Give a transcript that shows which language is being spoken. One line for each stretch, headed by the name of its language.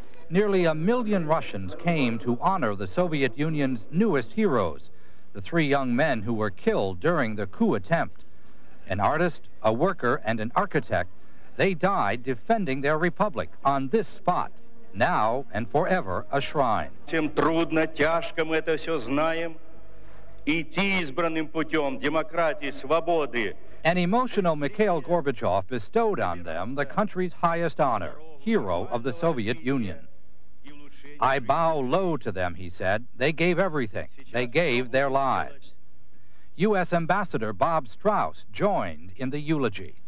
English: Nearly a million Russians came to honor the Soviet Union's newest heroes, the three young men who were killed during the coup attempt. An artist, a worker, and an architect, they died defending their republic on this spot, now and forever a shrine.
Russian: Чем трудно, тяжко мы это все знаем. Идти избранным путем демократии, свободы.
English: An emotional Mikhail Gorbachev bestowed on them the country's highest honor, hero of the Soviet Union. I bow low to them, he said. They gave everything. They gave their lives. U.S. Ambassador Bob Strauss joined in the eulogy.